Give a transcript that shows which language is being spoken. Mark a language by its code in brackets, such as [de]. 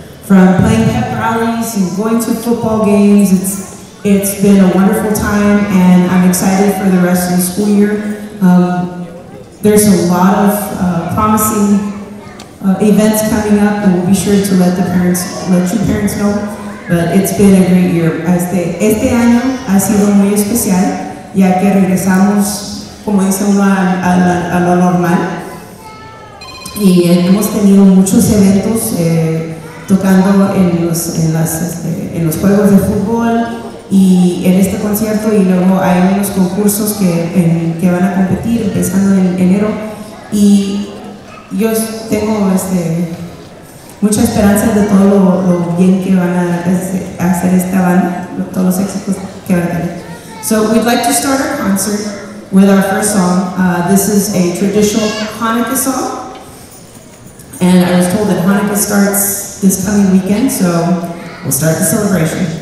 [en] From playing pep rallies and going to football games, it's been a wonderful time, and I'm excited for the rest of the school year. There's a lot of promising events coming up, and we'll be sure to let the parents, let your parents know. But it's been a great year. [es] Este año ha sido muy especial, ya que regresamos, como dice uno, a lo normal. Y hemos tenido muchos eventos tocando en los juegos de fútbol y en este concierto, y luego hay unos concursos que van a competir empezando en enero. Y yo tengo mucha esperanza de todo lo bien que van a hacer esta banda, todos los éxitos que van a tener. [en] So we'd like to start our concert with our first song. This is a traditional Hanukkah song. And I was told that Hanukkah starts this coming weekend, so we'll start the celebration.